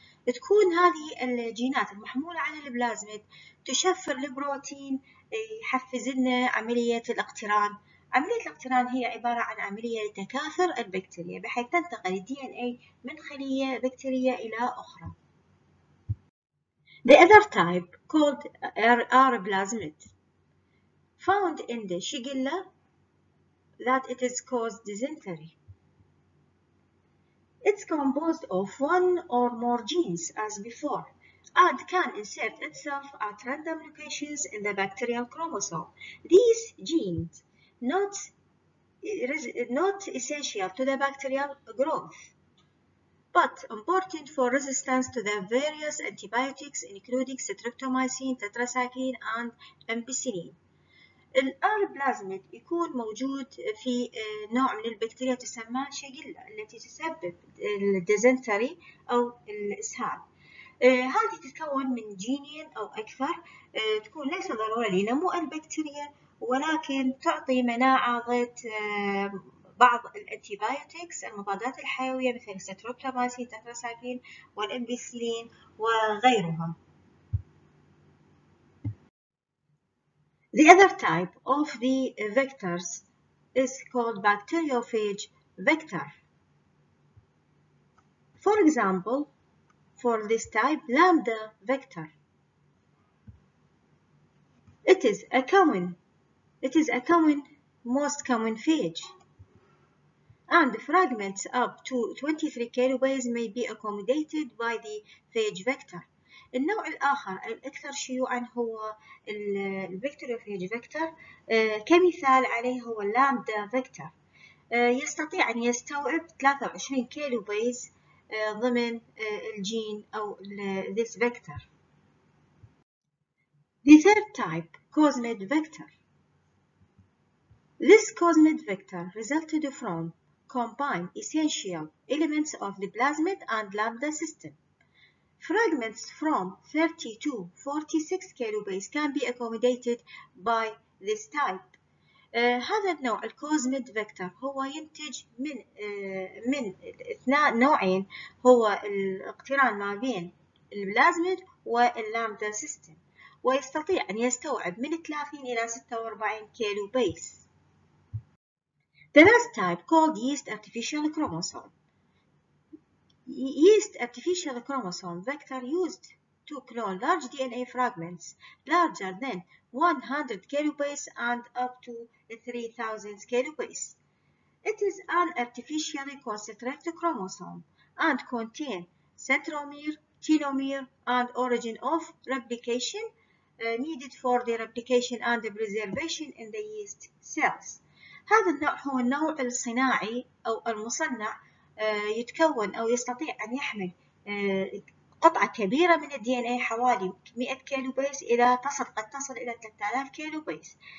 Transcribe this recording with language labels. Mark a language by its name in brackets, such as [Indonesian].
[Arabic] تكون هذه الجينات المحمولة على البلازميد تشفر البروتين يحفز لنا عملية الاقتران. عملية الاقتران هي عبارة عن عملية لتكاثر البكتيريا بحيث تنتقل الـ DNA من خلية بكتيرية إلى أخرى. [English] The other type called R plasmid found in the Shigella that it is caused dysentery. It's composed of one or more genes as before and can insert itself at random locations in the bacterial chromosome. These genes not essential to the bacterial growth, but important for resistance to the various antibiotics, including streptomycin, tetracycline, and ampicillin. [Arabic] الR plasmid يكون موجود في نوع من البكتيريا تسمى شيجيلا التي تسبب الديزنتري أو الإسهال. هذه تتكون من جينين أو أكثر، تكون ليس ضرورة لنمو البكتيريا ولكن تعطي مناعة ضد بعض الأنتيبيوتكس المضادات الحيوية مثل ستروبتوماسين، تتراسايكين، والإمبيسلين وغيرها. [English] The other type of the vectors is called bacteriophage vector. For example, for this type, lambda vector. It is a common, most common phage, and fragments up to 23 kilobases may be accommodated by the phage vector. [Arabic] النوع الآخر الأكثر شيوعاً هو البكتيريوفيج فيكتور، كمثال عليه هو اللامدا فيكتور. يستطيع أن يستوعب 23 كيلوبيز ضمن الجين أو [English] this vector. The third type, cosmid vector. This cosmid vector resulted from combined essential elements of the plasmid and lambda system. Fragments from 30 to 46 kilobase can be accommodated by this type. [Arabic] هذا النوع الكوزميد فيكتور هو ينتج من اثنان نوعين، هو الاقتران ما بين البلازميد واللامدا سيستم، ويستطيع ان يستوعب من 30 الى 46 kilobase. [English] The last type called yeast artificial chromosome. Yeast artificial chromosome vector used to clone large DNA fragments larger than 100 kilobase and up to 3000 kilobase. It is an artificially constructed chromosome and contain centromere, telomere, and origin of replication needed for the replication and the preservation in the yeast cells. [Arabic] هذا النوع هو النوع الصناعي أو المصنع، يتكون أو يستطيع أن يحمل قطعة كبيرة من الـ DNA حوالي 100 كيلو بيس إلى قد تصل إلى 3000 كيلو بيس.